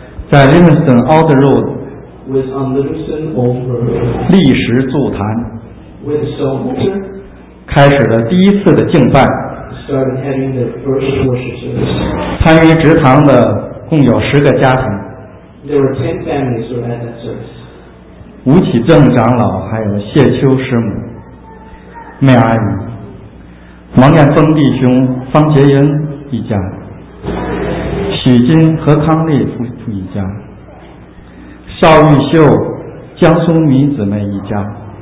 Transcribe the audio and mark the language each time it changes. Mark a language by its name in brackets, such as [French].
[Chinese] 在 Livingston Old Road. [English] Was on Livingston Old Road. [Chinese] 立石座坛。 [English] With the stone altar, [Chinese] 开始了第一次的敬拜。 [English] Started having the first worship service. [Chinese] 参与职堂的共有10个家庭。 [English] There were 10 families who were at that service. [Chinese] 吴启正长老还有谢秋师母、妹阿姨、王彦峰弟兄、方杰恩一家、许金和康丽夫妇一家、邵玉秀、江苏米姊妹一家。